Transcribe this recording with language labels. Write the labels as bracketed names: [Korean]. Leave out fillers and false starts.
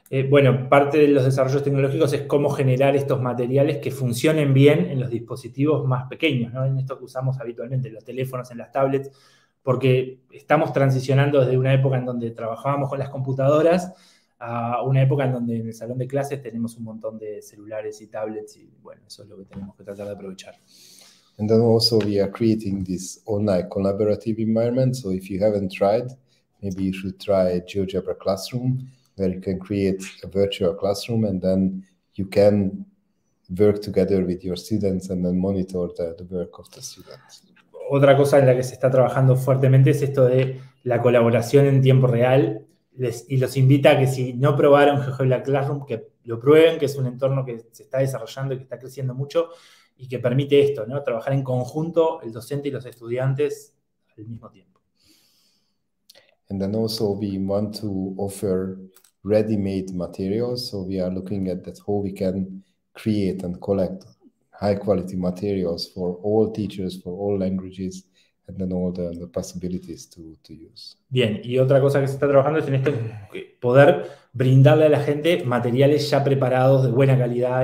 [Spanish] Bueno, parte de los desarrollos tecnológicos es cómo generar estos materiales que funcionen bien en los dispositivos más pequeños, ¿no? En esto que usamos habitualmente, los teléfonos, en las tablets, porque estamos transicionando desde una época en donde trabajábamos con las computadoras a una época en donde en el salón de clases tenemos un montón de celulares y tablets, y bueno, eso es lo que tenemos que tratar de aprovechar. [English] And then also we are creating this online collaborative environment, so if you haven't tried, maybe you should try GeoGebra Classroom, where you can create a virtual classroom and then you can work together with your students and then monitor the work of the students. [Spanish] Otra cosa en la que se está trabajando fuertemente es esto de la colaboración en tiempo real. Y los invita a que si no probaron GeoGebra Classroom, que lo prueben, que es un entorno que se está desarrollando y que está creciendo mucho y que permite esto, ¿no? Trabajar en conjunto el docente y los estudiantes al mismo tiempo. [English] And then also we want to offer ready-made materials, so we are looking at that how we can create and collect high quality materials for all teachers, for all languages, and then all the possibilities to use. [Spanish] Bien, y otra cosa que se está trabajando es en esto, poder brindarle a la gente materiales ya preparados de buena calidad.